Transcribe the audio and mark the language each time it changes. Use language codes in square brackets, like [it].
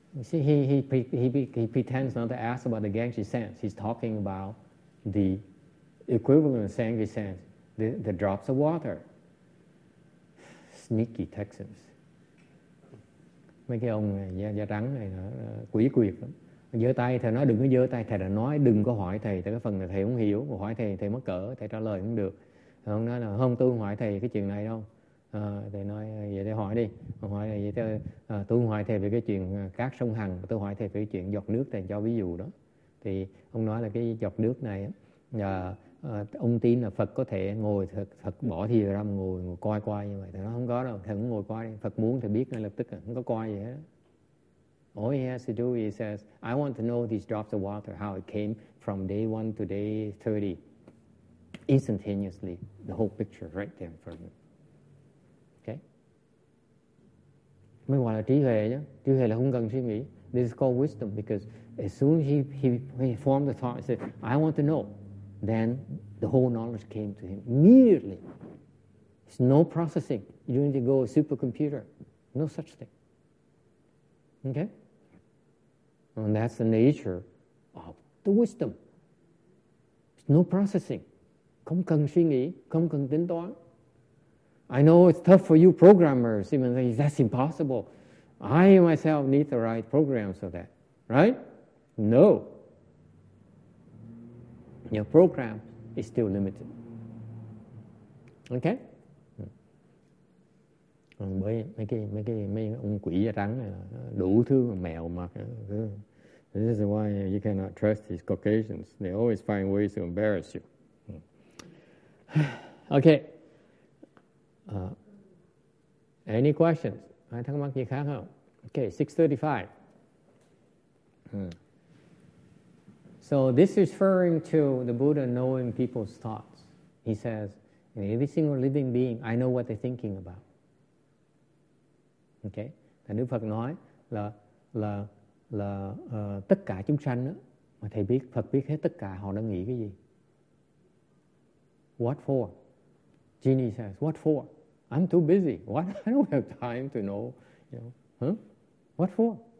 [en] He pretends not to ask about the Ganges sense. He's talking about the equivalent of Sangi sense, the drops of water. Sneaky Texans. [vi] Mấy cái ông này, da trắng này, quỷ quyệt lắm. Giơ tay, thầy nói đừng có giơ tay, thầy đã nói đừng có hỏi thầy, tại cái phần này thầy không hiểu, hỏi thầy mất cỡ, thầy trả lời không được. Thầy ông nói là không, tôi không hỏi thầy cái chuyện này đâu. Thầy nói vậy thầy hỏi đi, hỏi là vậy thầy, tôi không hỏi thầy về cái chuyện cát sông Hằng, tôi hỏi thầy về cái chuyện giọt nước, thầy cho ví dụ đó. Thì ông nói là cái giọt nước này, ông tin là Phật có thể ngồi thật bỏ thì ra mà ngồi coi như vậy. Thầy nói không có đâu, thầy cũng ngồi coi đi. Phật muốn thì biết ngay lập tức, không có coi gì hết. [en] All he has to do is says, I want to know these drops of water, how it came from day 1 to day 30. Instantaneously, the whole picture right there in front of me. Okay? [vi] Mới gọi là trí huệ nhé. Trí huệ là không cần suy nghĩ. [en] This is called wisdom because as soon as he formed the thought, he said, I want to know. Then the whole knowledge came to him immediately. It's no processing. You don't need to go to a supercomputer. No such thing. Okay? And that's the nature of the wisdom. It's no processing. [vi] Không cần suy nghĩ, không cần tính toán. [en] I know it's tough for you programmers, even though that's impossible. I myself need to write programs for that. Right? No. Your program is still limited. Okay? [vi] Còn mấy ông quỷ da trắng này đủ thứ mèo mặt. [en] This is why you cannot trust these Caucasians. They always find ways to embarrass you. Okay. Any questions? [vi] Ai thắc mắc gì khác không? [en] Okay, 6:35. So this is referring to the Buddha knowing people's thoughts. He says, in every single living being, I know what they're thinking about. Okay? [vi] Thầy Đức Phật nói là tất cả chúng sanh đó, mà thầy biết, Phật biết hết tất cả họ đang nghĩ cái gì. [en] What for? Genie says, what for? I'm too busy. What? I don't have time to know. You know? Huh? What for?